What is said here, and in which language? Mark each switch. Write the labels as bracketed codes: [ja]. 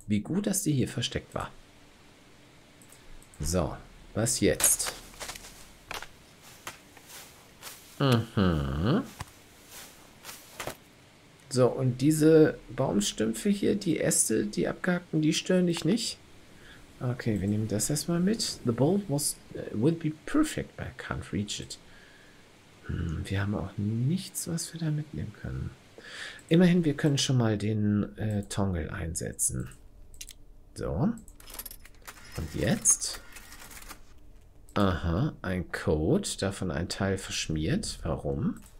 [de] Wie gut, dass die hier versteckt war. So, was jetzt? So, und diese Baumstümpfe hier, die Äste, die abgehackten, die stören dich nicht. Okay, wir nehmen das erstmal mit. [en] The bolt would be perfect, but I can't reach it. [de] Hm, wir haben auch nichts, was wir da mitnehmen können. Immerhin, wir können schon mal den Tongel einsetzen. So. Und jetzt... Aha, ein Code, davon ein Teil verschmiert. Warum?